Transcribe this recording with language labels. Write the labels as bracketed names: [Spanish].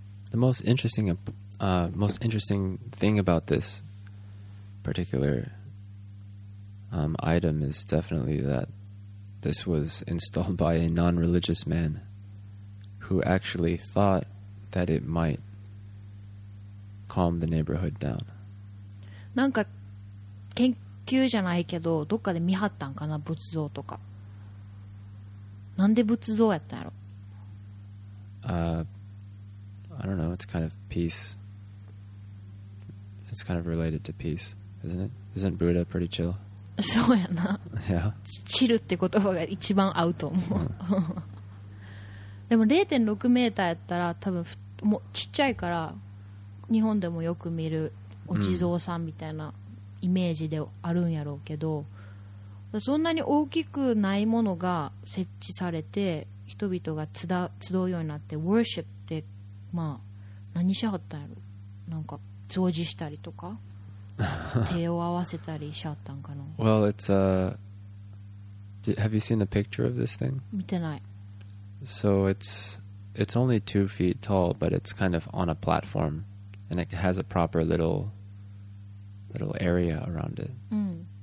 [English] The most interesting, most interesting thing about this particular, item is definitely that this was installed by a non-religious man who actually thought that it might calm the neighborhood down. [Japanese] なんか急じゃないけどどっかで見張ったんかな仏像とかなんで仏像やったんやろ [English] I don't know it's kind of peace it's kind of related to peace isn't it isn't Buddha pretty chill [Japanese] そうやな [English] yeah. [Japanese] チルって言葉が一番合うと思う、でも 0.6 メーターやったら多分もうちっちゃいから日本でもよく見るお地蔵さんみたいな、mm. イメージであるんやろうけどそんなに大きくないものが設置されて人々が集うようになって worship ってまあ何しはったんやろなんか掃除したりとか手を合わせたりしはったんかな [English] Well, it's a Have you seen a picture of this thing? [Japanese] 見てない [English] So it's only 2 feet tall but it's kind of on a platform and it has a proper little area around it、 mm.